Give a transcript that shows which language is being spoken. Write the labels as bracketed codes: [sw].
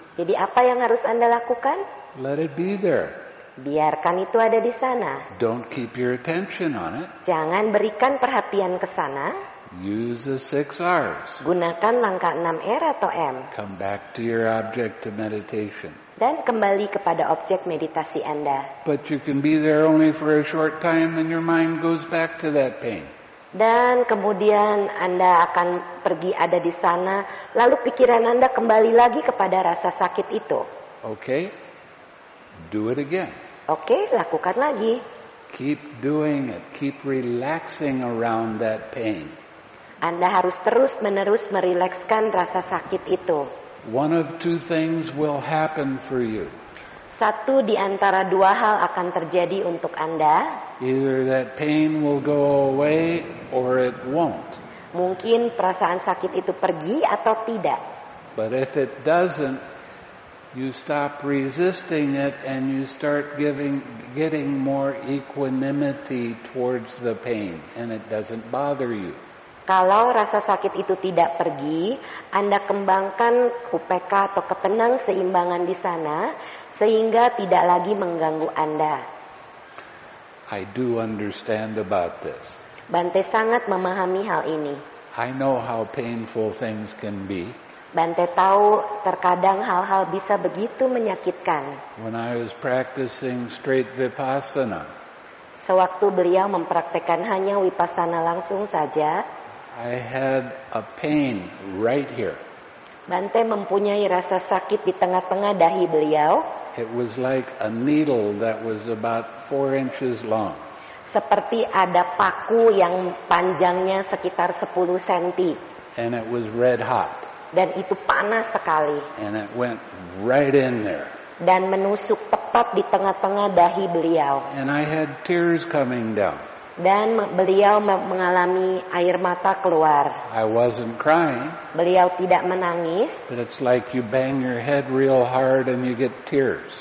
[id] Jadi apa yang harus Anda lakukan? [en] Let it be there. [id] Biarkan itu ada di sana. [en] Don't keep your attention on it. [id] Jangan berikan perhatian ke sana. [en] Use the six R's. [id] Gunakan langkah 6 R atau M. [en] Come back to your object of meditation. [id] Dan kembali kepada objek meditasi Anda. [en] But you can be there only for a short time and your mind goes back to that pain. [id] Dan kemudian Anda akan pergi ada di sana, lalu pikiran Anda kembali lagi kepada rasa sakit itu. [en] Okay. Do it again. [id] Okay, lakukan lagi. [en] Keep doing it. Keep relaxing around that pain. [id] Anda harus terus-menerus merilekskan rasa sakit itu. [en] One of two things will happen for you. [id] Satu di antara dua hal akan terjadi untuk Anda. [en] Either that pain will go away or it won't. [id] Mungkin perasaan sakit itu pergi atau tidak. [en] But if it doesn't, you stop resisting it and you start getting more equanimity towards the pain and it doesn't bother you. [id] Kalau rasa sakit itu tidak pergi, Anda kembangkan UPK atau ketenang seimbangan di sana, sehingga tidak lagi mengganggu Anda. [en] I do understand about this. [id] Bante sangat memahami hal ini. [en] I know how painful things can be. [id] Bante tahu terkadang hal-hal bisa begitu menyakitkan. [en] When I was practicing straight vipassana. [id] Sewaktu beliau mempraktikkan hanya vipassana langsung saja. [en] I had a pain right here. [id] Bante mempunyai rasa sakit di tengah-tengah dahi beliau. [en] It was like a needle that was about 4 inches long. [id] Seperti ada paku yang panjangnya sekitar 10 cm. [en] And it was red hot. [id] Dan itu panas sekali. [en] And it went right in there. [id] Dan menusuk tepat di tengah-tengah dahi beliau. [en] And I had tears coming down. [id] Dan beliau mengalami air mata keluar. [en] I wasn't crying. [id] Beliau tidak menangis. [en] But it's like you bang your head real hard and you get tears.